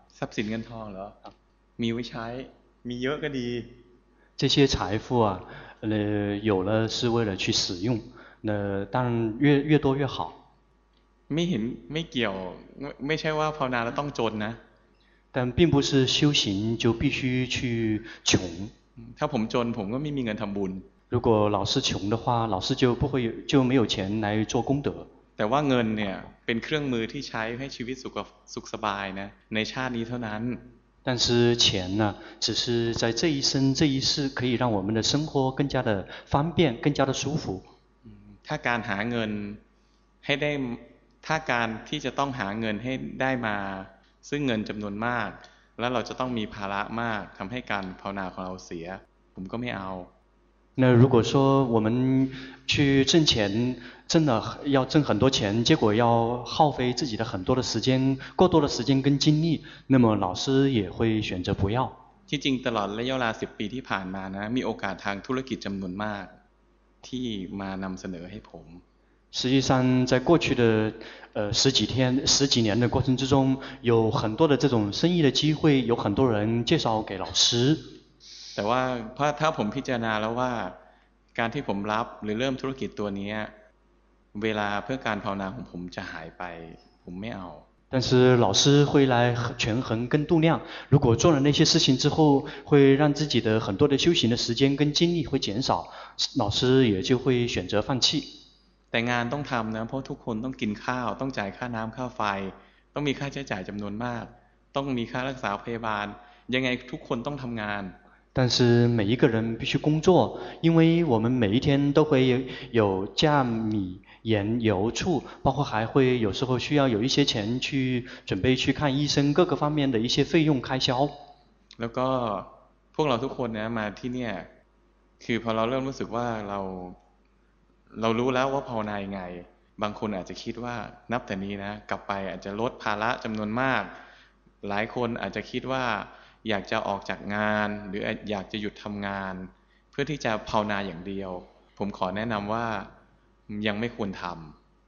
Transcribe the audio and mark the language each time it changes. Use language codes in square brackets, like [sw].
[th] ทรัพย์สินเงินทองเหรอมีไว้ใช้มีเยอะก็ดี [zh] 这些财富啊有了是为了去使用那当然越多越好 [th] ไม่เห็นไม่เกี่ยวไม่ใช่ว่าภาวนาแล้วต้องจนนะ [zh] 但并不是修行就必须去穷 [th] ถ้าผมจนผมก็ไม่มีเงินทำบุญ [zh] 如果老师穷的话，老师就不会就没有钱来做功德。 [th] แต่ว่าเงินเนี่ยเป็นเครื่องมือที่ใช้ให้ชีวิตสุขสบายนะในชาตินี้เท่านั้น。 [zh] 但是钱呢，只是在这一生这一世可以让我们的生活更加的方便，更加的舒服。 [th] ถ้าการหาเงินให้ได้ถ้าการที่จะต้องหาเงินให้ได้มาซึ่งเงินจำนวนมากแล้วเราจะต้องมีภาระมากทำให้การภาวนาของเราเสียผมก็ไม่เอา [zh] 那如果说我们去挣钱，挣了要挣很多钱，结果要耗费自己的很多的时间，过多的时间跟精力，那么老师也会选择不要。 [th] ที่จริงตลอดระยะเวลา10ปีที่ผ่านมานะมีโอกาสทางธุรกิจจำนวนมากที่มานำเสนอให้ผม [zh] 实际上在过去的十几天十几年的过程之中有很多的这种生意的机会有很多人介绍给老师 [th] แต่ว่าถ้าผมพิจารณาแล้วว่าการที่ผมรับหรือเริ่มธุรกิจตัวนี้เวลาเพื่อการภาวนาของผมจะหายไปผมไม่เอา [zh] 但是老师会来权衡跟度量如果做了那些事情之后会让自己的很多的修行的时间跟精力会减少老师也就会选择放弃 [th] แต่งานต้องทำนะเพราะทุกคนต้องกินข้าวต้องจ่ายค่าน้ำค่าไฟต้องมีค่าใช้จ่ายจำนวนมากต้องมีค่ารักษาพยาบาลยังไงทุกคนต้องทำงาน [zh] 但是每一个人必须工作因为我们每一天都会有价米盐油醋包括还会有时候需要有一些钱去准备去看医生各个方面的一些费用开销 [th] แล้วก็พวกเราทุกคนนะมาที่เนี่ยคือพอเราเริ่มรู้สึกว่าเรารู้แล้วว่าภาวนายังไงบางคนอาจจะคิดว่านับแต่นี้นะกลับไปอาจจะลดภาระจำนวนมากหลายคนอาจจะคิดว่าอยากจะออกจากงานหรืออยากจะหยุดทำงานเพื่อที่จะภาวนาอย่างเดียวผมขอแนะนำว่ายังไม่ควรทำ